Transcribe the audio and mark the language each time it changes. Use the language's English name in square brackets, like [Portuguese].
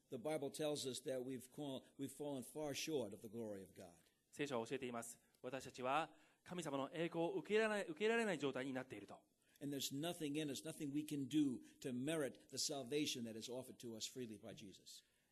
[English] The Bible tells us that we've fallen far short of the glory of God. [Japanese] 聖書は教えています。私たちは神様の栄光を受けられない状態になっていると。 [English] And there's nothing in us, nothing we can do to merit the salvation that is offered to us freely by Jesus.